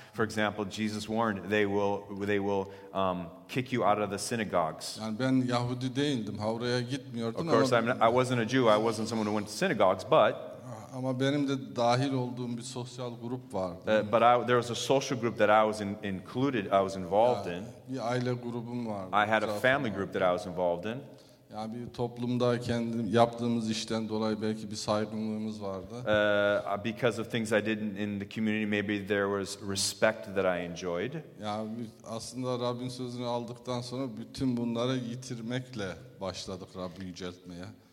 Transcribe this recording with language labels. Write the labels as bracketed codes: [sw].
[en] For example, Jesus warned, they will kick you out of the synagogues. [tr] Yani ben Yahudi değildim. Havraya gitmiyordum ama. [en] Of course, I wasn't a Jew. I wasn't someone who went to synagogues, but. [tr] Ama benim de dahil olduğum bir sosyal grup vardı. [en] But there was a social group that I was involved in. [tr] Bir aile grubum vardı. [en] I had a family group that I was involved in. [tr] Yani bir toplumda kendi yaptığımız işten dolayı belki bir saygınlığımız vardı. [en] Because of things I did in the community, maybe there was respect that I enjoyed. [tr] Yani aslında Rabbin sözünü aldıktan sonra bütün bunları yitirmekle başladık Rabbi yüceltmeye.